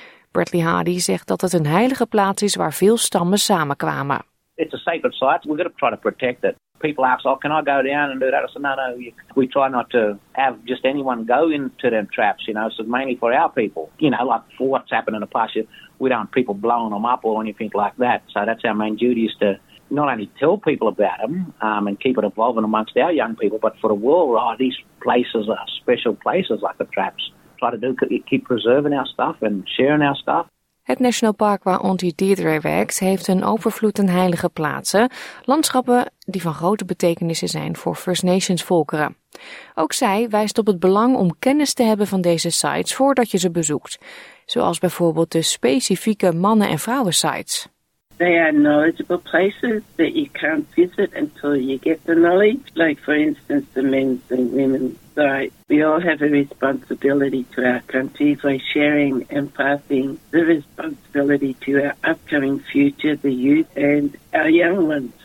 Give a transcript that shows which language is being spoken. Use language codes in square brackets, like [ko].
[nl] Bradley Hardy zegt dat het een heilige plaats is waar veel stammen samenkwamen. [en] It's a sacred site. We've got to try to protect it. People ask, oh, can I go down and do that? I said, no. We try not to have just anyone go into them traps, you know. So mainly for our people, you know, like for what's happened in the past, we don't want people blowing them up or anything like that. So that's our main duty, is to not only tell people about them and keep it evolving amongst our young people, but for the world, oh, these places are special places like the traps. Try to do keep preserving our stuff and sharing our stuff. [nl] Het National Park waar Auntie Deirdre werkt heeft een overvloed aan heilige plaatsen. Landschappen die van grote betekenis zijn voor First Nations volkeren. Ook zij wijst op het belang om kennis te hebben van deze sites voordat je ze bezoekt. Zoals bijvoorbeeld de specifieke mannen- en vrouwen-sites. [en] They are knowledgeable places that you can't visit until you get the knowledge. Like for instance the men's and women's site. We all have a responsibility to our country by sharing and passing the responsibility to our upcoming future, the youth and our young ones.